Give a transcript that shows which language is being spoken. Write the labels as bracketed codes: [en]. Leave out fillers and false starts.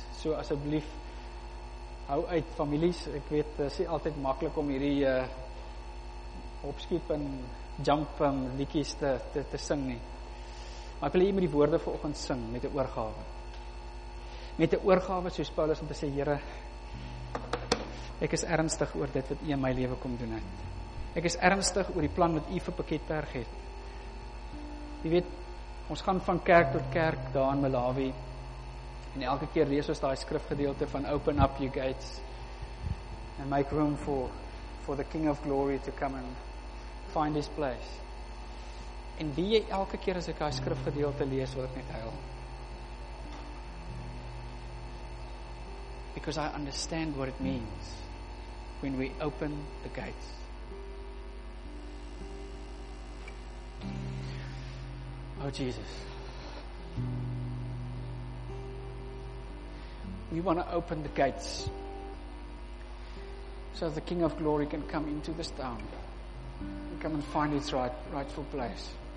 [af] So asseblief, hou uit families. Ek weet, dit is nie altyd makkelijk om hierdie opskiep en jump liedjies te sing nie. Maar ek wil hier met die woorde vanoggend sing, met die oorgawe. Met die oorgawe, soos Paulus om te sê, Here, ek is ernstig oor dit wat U in my lewe kom doen het. Ek is ernstig oor die plan wat U vir Pakketberg het. Jy weet, ons gaan van kerk tot kerk daar in Malawi en elke keer lees ons daai skrifgedeelte van [en] open up your gates and make room for the King of Glory to come and find his place. [af] En wie jy elke keer as ek daai skrifgedeelte lees, wil ek net huil. [en] Because I understand what it means when we open the gates. Oh Jesus, we want to open the gates so the King of Glory can come into this town and come and find its rightful place.